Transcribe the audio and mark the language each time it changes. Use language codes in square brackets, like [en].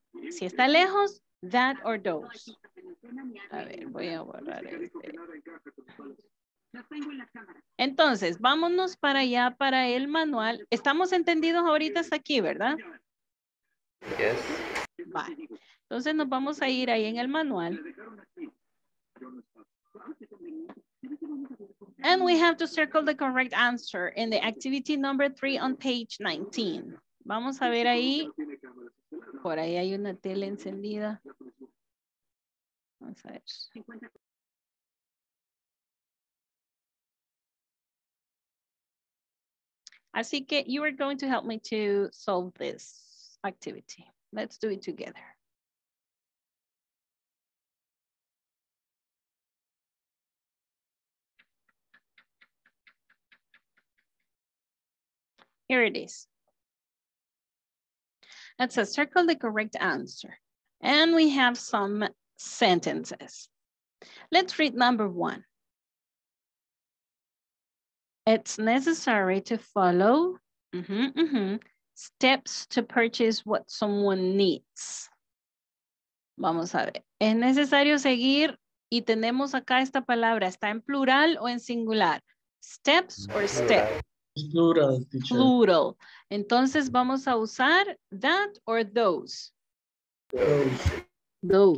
[es] Si está lejos, that or those. A ver, voy a borrar este. Entonces, vámonos para allá, para el manual. Estamos entendidos ahorita hasta aquí, ¿verdad? [en] Yes. [es] Vale. Entonces nos vamos a ir ahí en el manual. [en] And we have to circle the correct answer in the activity number 3 on page 19. [es] Vamos a ver ahí. Por ahí hay una tele encendida. Vamos a ver. Así que [en] you are going to help me to solve this activity. Let's do it together. Here it is. It says circle the correct answer. And we have some sentences. Let's read number one. It's necessary to follow steps to purchase what someone needs. [es] Vamos a ver. Es necesario seguir, y tenemos acá esta palabra. ¿Está en plural o en singular? [en] Steps or step? Plural. [es] Plural. Entonces vamos a usar that or those. [en] Those.